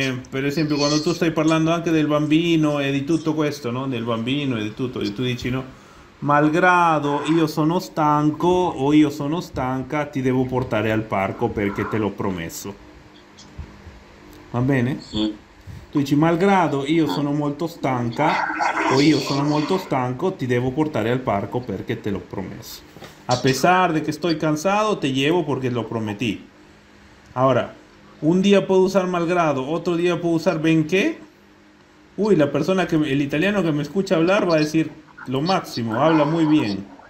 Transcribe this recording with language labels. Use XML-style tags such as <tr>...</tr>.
<es>Por ejemplo, cuando tú estás hablando anche del bambino y de todo esto, ¿no? Del bambino y de todo, y tú dices, ¿no?</es> <it>Malgrado, yo sono stanco o yo sono stanca, ti devo portare al parco</it> <es>porque</es> <it>te lo promesso. ¿Va bene?</it> <es>Sí.</es> <it>Tu dici, malgrado io sono molto stanca o io sono molto stanco, ti devo portare al parco perché te l'ho promesso.</it> <es>A pesar de que estoy cansado, te llevo porque lo prometí. Ahora, un día puedo usar malgrado, otro día puedo usar benché. Uy, la persona que el italiano que me escucha hablar va a decir lo máximo, habla muy bien.</es>